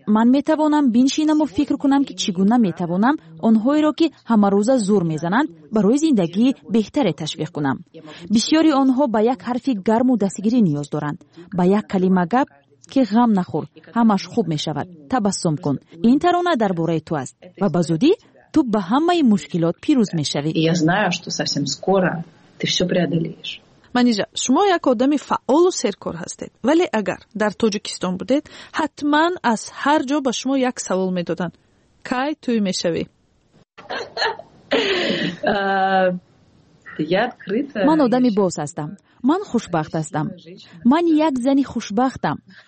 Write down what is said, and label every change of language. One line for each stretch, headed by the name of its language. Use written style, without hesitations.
Persian: من میتوانم بینشینم و فکر کنم که چگونه میتوانم اونهایی را که همه روزه زور میزنند برای زندگی بهتر تشویق کنم. بسیاری آنها با یک حرف گرم و دستگیری نیاز دارند. با یک کلمه گپ که غم نخور، همش خوب میشود. تبسم کن. این ترانه در باره تو است و به زودی تو به همه مشکلات پیروز میشوی.
Russian: Я знаю, что совсем скоро ты всё преодолеешь.
Persian: منیجا، شما یک آدم فعال و سرکار هستید. ولی اگر در تاجیکستان بودید، حتما از هر جا به شما یک سوال میدادن. کی توی میشوی؟ من آدم باز هستم. من خوشبخت هستم. من یک زنی خوشبختم.